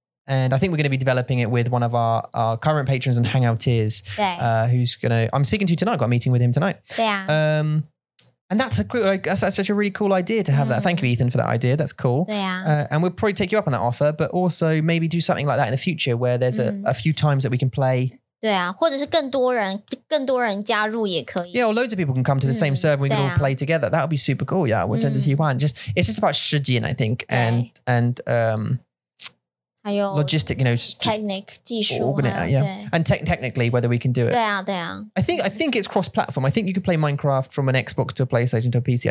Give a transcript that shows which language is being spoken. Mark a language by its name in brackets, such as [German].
[English] And I think we're going to be developing it with one of our current patrons and hangouteers, who's going to, I'm speaking to you tonight, I've got a meeting with him tonight. Yeah. And that's a such a really cool idea to have that. Thank you, Ethan, for that idea. That's cool. Yeah. And we'll probably take you up on that offer, but also maybe do something like that in the future where there's a few times that we can play. [Chinese] 对啊，或者是更多人加入也可以。 [English] Yeah, or loads of people can come to the same server. We can all play together. That would be super cool. Yeah, [Chinese] 我真的喜欢. [English] It's just about 时间, I think, and [Chinese] 还有 [English] logistic, you know, technique, 技术, and technically whether we can do it. [Chinese] 对啊，对啊. [English] I think it's cross-platform. I think you can play Minecraft from an Xbox to a PlayStation to a PC.